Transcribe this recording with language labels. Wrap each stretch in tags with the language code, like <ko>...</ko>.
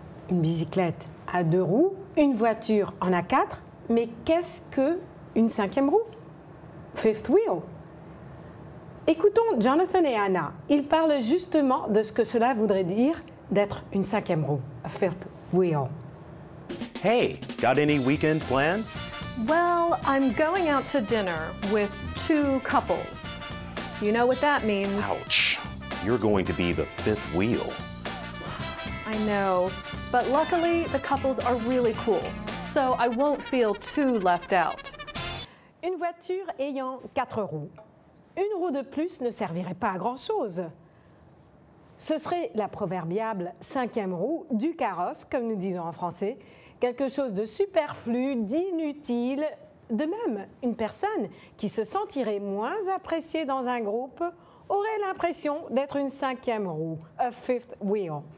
<fr>Une bicyclette à deux roues. Une voiture en a quatre. Mais qu'est-ce que une cinquième roue?</fr> <en>Fifth wheel.</en> <fr>Écoutons Jonathan et Anna. Ils parlent justement de ce que cela voudrait dire d'être une cinquième roue.</fr> <en>A fifth wheel. Hey, got any weekend plans? Well, I'm going out to dinner with two couples. You know what that means. Ouch. You're going to be the fifth wheel. I know, but luckily the couples are really cool, so I won't feel too left out.</en> <fr>Une voiture ayant quatre roues. Une roue de plus ne servirait pas à grand-chose. Ce serait la proverbiable cinquième roue du carrosse, comme nous disons en français. Quelque chose de superflu, d'inutile. De même, une personne qui se sentirait moins appréciée dans un groupe aurait l'impression d'être une cinquième roue,</fr> <en>a fifth wheel.</en>